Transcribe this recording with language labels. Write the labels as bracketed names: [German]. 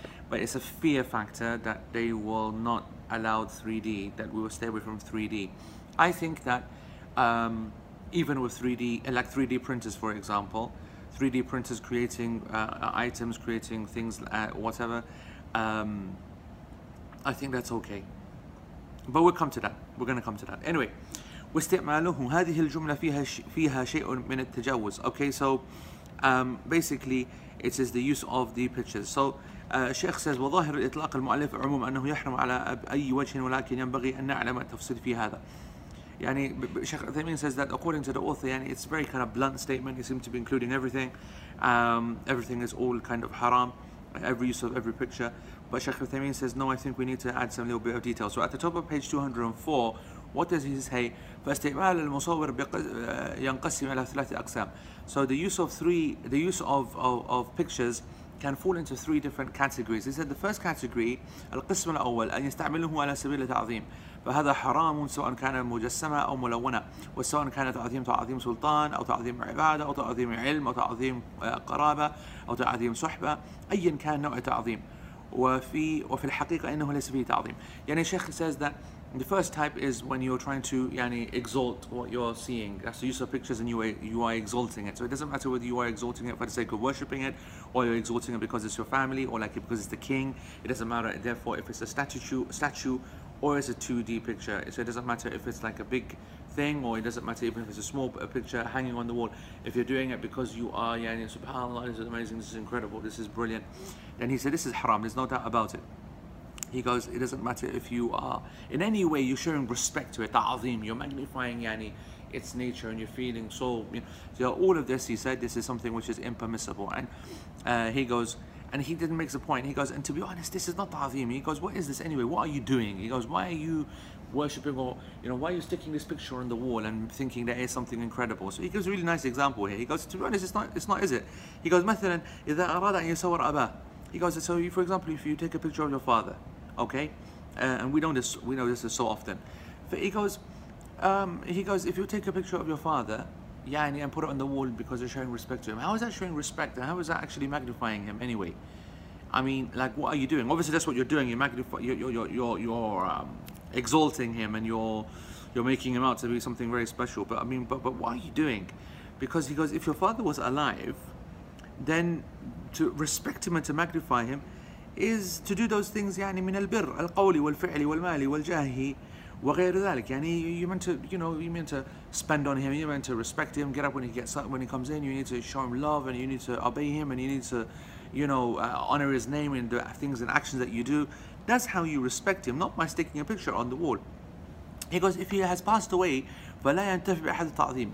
[English] But it's a fear factor that they will not allow 3D, that we will stay away from 3D. I think that even with 3D, like 3D printers, for example, 3D printers creating items, creating things, whatever, I think that's okay. But we'll come to that. We're going to come to that. Anyway. [Arabic] واستعمالهم هذه الجملة فيها شيء من التجاوز. [English] Okay, so basically it is the use of the pictures. So Sheikh says [Arabic] وظاهر الإطلاق المؤلف عموم أنه يحرم على أي وجه ولكن ينبغي أن نعلم التفصيل في هذا. [English] يعني Sheikh Uthaymeen says that according to the author, يعني it's very kind of blunt statement. He seems to be including everything. Everything is all kind of haram. Every use of every picture. But Sheikh Uthaymeen says no. I think we need to add some little bit of detail. So at the top of page 204. What does he say? [Arabic] فاستعمال المصور ينقسم إلى ثلاثة أقسام. [English] So the use of pictures can fall into three different categories. He said the first category, [Arabic] القسم الأول أن يستعمله على سبيل التعظيم. فهذا حرام سواء كان مجسما أو ملونا. وسواء كان تعظيم سلطان أو تعظيم عبادة أو تعظيم علم أو تعظيم قرابة أو تعظيم صحبة. أيا كان نوع التعظيم. وفي الحقيقة إنه ليس فيه تعظيم. يعني الشيخ [English] says that the first type is when you're trying to yani exalt what you're seeing. That's the use of pictures, and you are exalting it. So it doesn't matter whether you are exalting it for the sake of worshipping it, or you're exalting it because it's your family, or like it because it's the king. It doesn't matter, therefore, if it's a statue, or it's a 2D picture. So it doesn't matter if it's like a big thing, or it doesn't matter even if it's a small picture hanging on the wall. If you're doing it because you are yani, subhanAllah, this is amazing, this is incredible, this is brilliant, then he said this is haram, there's no doubt about it. He goes, it doesn't matter if you are in any way, you're showing respect to it, ta'azim, you're magnifying yani its nature, and you're feeling so, you know, so all of this, he said, this is something which is impermissible. And he goes, and he didn't make the point, he goes, and to be honest, this is not ta'azim. He goes, what is this anyway? What are you doing? He goes, why are you worshipping, or, you know, why are you sticking this picture on the wall and thinking that it's something incredible? So he gives a really nice example here. He goes, to be honest, it's not, is it? He goes, [Arabic] مثلا إذا أراد أن يصور أباه. [English] He goes, so you, for example, if you take a picture of your father, okay, and we know this is so often. But he goes, if you take a picture of your father, Yeah, and put it on the wall because they're showing respect to him. How is that showing respect? And how is that actually magnifying him anyway? I mean, like, what are you doing? Obviously, that's what you're doing. You're magnifying, you're exalting him, and you're making him out to be something very special. But I mean, but what are you doing? Because he goes, if your father was alive, then to respect him and to magnify him is to do those things. [Arabic] يعني من البر القولي والفعلي والمالي والجاهي وغير ذلك. [English] يعني you meant to, you know, you meant to spend on him. You meant to respect him. Get up when he gets up, when he comes in. You need to show him love, and you need to obey him, and you need to, you know, honor his name in the things and actions that you do. That's how you respect him, not by sticking a picture on the wall. He goes, if he has passed away, [Arabic] فَلَا يَنْتَفِ بِأَحَدِ التَّعْظِيمِ.